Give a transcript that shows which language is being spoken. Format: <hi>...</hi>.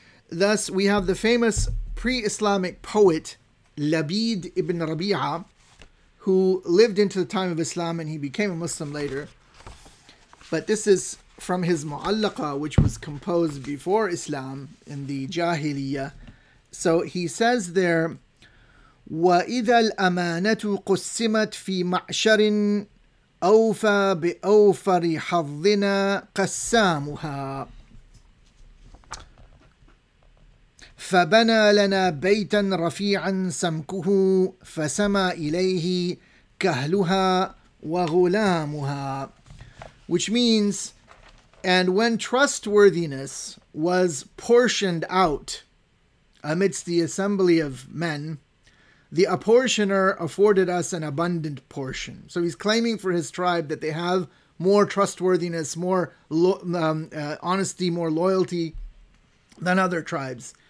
<en>Thus, we have the famous pre-Islamic poet Labid ibn Rabi'a, who lived into the time of Islam and he became a Muslim later. But this is from his Mu'allaqa, which was composed before Islam in the Jahiliyya. So he says there,</en> <ar>وَإِذَا الْأَمَانَةُ قُسِّمَتْ فِي مَعْشَرٍ أَوْفَى بِأَوْفَرِ حَظِّنَا قَسَّامُهَا فَبَنَى لَنَا بَيْتًا رَفِيعًا سَمْكُهُ فَسَمَى إِلَيْهِ كَهْلُهَا وَغُلَامُهَا.</ar> <en>Which means, and when trustworthiness was portioned out amidst the assembly of men, the apportioner afforded us an abundant portion. So he's claiming for his tribe that they have more trustworthiness, more honesty, more loyalty than other tribes.</en>